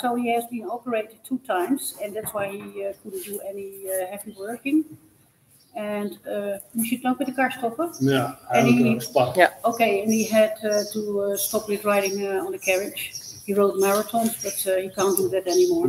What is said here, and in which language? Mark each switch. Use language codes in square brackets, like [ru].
[en] So he has been operated 2 times, and that's why he couldn't do any heavy working. [nl] And moest je het ook met de kar stoppen? Ja, eigenlijk. [en] Oké, and he had to stop with riding on the carriage. He rode marathons, but he can't do that anymore.